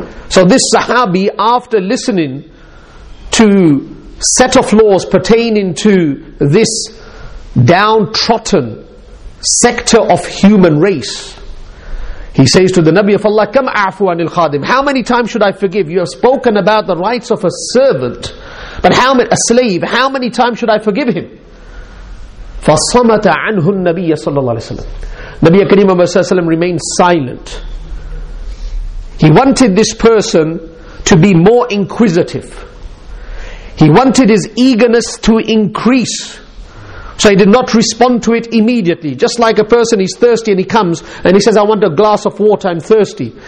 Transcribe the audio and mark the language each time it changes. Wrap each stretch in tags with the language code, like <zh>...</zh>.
<en>So this Sahabi, after listening to set of laws pertaining to this downtrodden sector of human race, he says to the Nabi of Allah,</en> <ar>Kam a'fu anil khadim,</ar> <en>how many times should I forgive? You have spoken about the rights of a servant, but how many, a slave, how many times should I forgive him?</en> <ar>فَصَمَتَ عَنْهُ النَّبِيَّ صَلَّى اللَّهُ عَلَيْهِ وَسَلَّمُ Nabi Akareem Muhammad sallallahu</ar> <en>remained silent. He wanted this person to be more inquisitive. He wanted his eagerness to increase. So he did not respond to it immediately. Just like a person, he's thirsty and he comes and he says, I want a glass of water, I'm thirsty.</en>